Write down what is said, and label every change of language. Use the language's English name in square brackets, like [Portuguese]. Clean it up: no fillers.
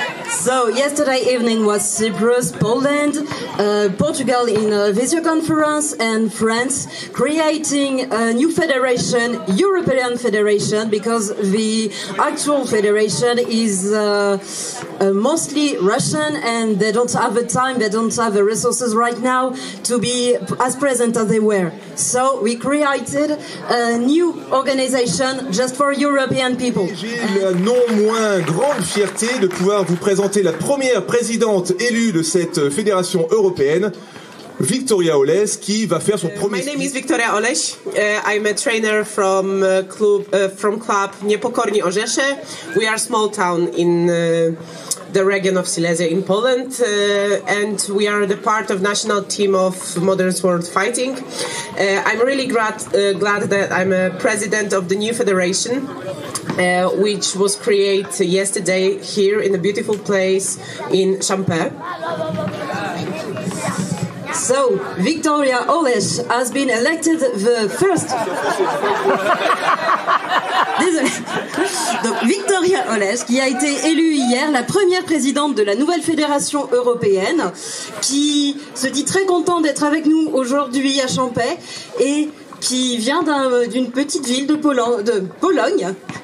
[English] So yesterday evening was Cyprus, Poland, Portugal in a video conference, and France creating a new federation, European Federation, because the actual federation is mostly Russian and they don't have the time, they don't have the resources right now to be as present as they were. So we created a new organization just for European people. [French] J'ai la non moins grande fierté de pouvoir vous présenter la première présidente élue de cette fédération européenne, Victoria Oles, qui va faire son premier. [English] My name is Victoria Oles. I'm a trainer from club Niepokorni Orzesze. We are a small town in the region of Silesia in Poland, and we are the part of national team of Modern Sword Fighting. I'm really glad that I'm a president of the new federation, which was created yesterday here in a beautiful place in Champers. So, Victoria Oles has been elected the first... [French] Désolée. Donc, Victoria Oles, qui a été élue hier la première présidente de la nouvelle fédération européenne, qui se dit très contente d'être avec nous aujourd'hui à Champais, et qui vient d'une petite ville de Pologne.